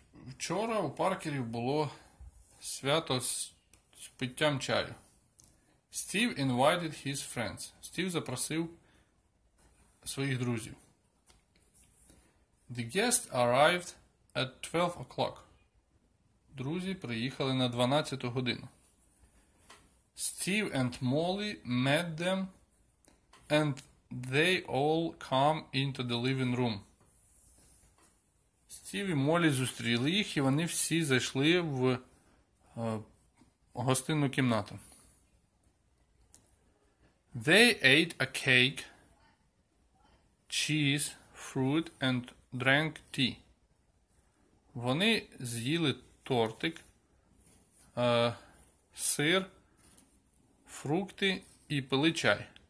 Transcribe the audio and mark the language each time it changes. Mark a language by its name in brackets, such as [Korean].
[Ukrainian] Вчора у Паркерів було свято з питтям чаю. [English] Steve invited his friends. [Ukrainian] Steve запросив своїх друзів. [English] The guests arrived at 12 o'clock. [Ukrainian] Друзі приїхали на 12 годину. [English] Steve and Molly met them and they all come into the living room. [Ukrainian] Steve і Molly зустріли їх і вони всі зайшли в гостинну кімнату. [English] They ate a cake, cheese, fruit, and drank tea. [Ukrainian] Вони з'їли тортик, сир, фрукти і пили чай.